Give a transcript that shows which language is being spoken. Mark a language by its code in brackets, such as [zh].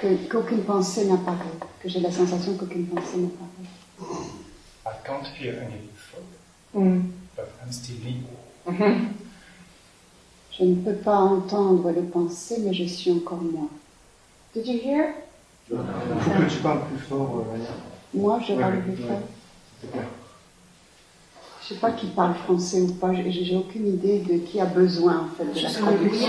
[fr] Qu'aucune pensée n'apparaît, que j'ai la sensation qu'aucune pensée n'apparaît. [en] I can't hear any thought, but I'm still me. [fr] Je ne peux pas entendre le penser, mais je suis encore moi. [en] Did you hear? [fr] Il faut que tu parles plus fort, Maria. Moi, je parle plus fort. C'est clair. Je ne sais pas qui parle français ou pas. J'ai aucune idée de qui a besoin en fait de la traduction.